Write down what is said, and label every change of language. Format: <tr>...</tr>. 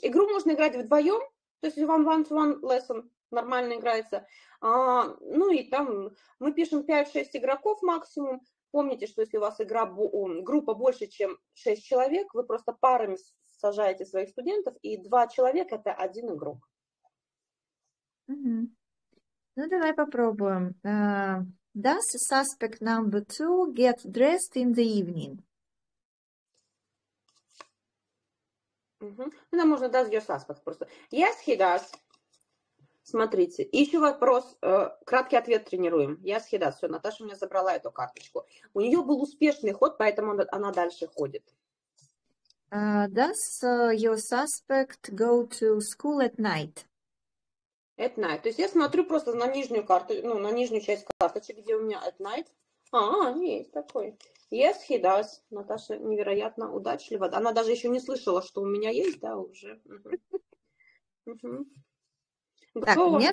<ru>Игру можно играть вдвоем, то есть вам</ru> <en>one-to-one lesson</en> <ru>нормально играется. Ну и там мы пишем 5-6 игроков максимум. Помните, что если у вас группа больше, чем 6 человек, вы просто парами сажаете своих студентов, и 2 человека – это один игрок. Ну, давай попробуем.</ru> <en>Does suspect number two get dressed in the evening?</en> <ru>Ну, можно</ru> <en>does your suspect</en> <ru>просто.</ru> <en>Yes, he does.</en> <ru>Смотрите, еще вопрос, краткий ответ тренируем.</ru> <en>Yes, he does.</en> <ru>Все, Наташа у меня забрала эту карточку. У нее был успешный ход, поэтому она дальше ходит.</ru> <en>Does your suspect go to school at night? At night.</en> <ru>То есть я смотрю просто на нижнюю карту, ну, на нижнюю часть карточки, где у меня</ru> <en>at night.</en> <ru>Есть такой.</ru> <en>Yes, he does.</en> <ru>Наташа невероятно удачлива. Она даже еще не слышала, что у меня есть, да, уже. Так, у меня</ru>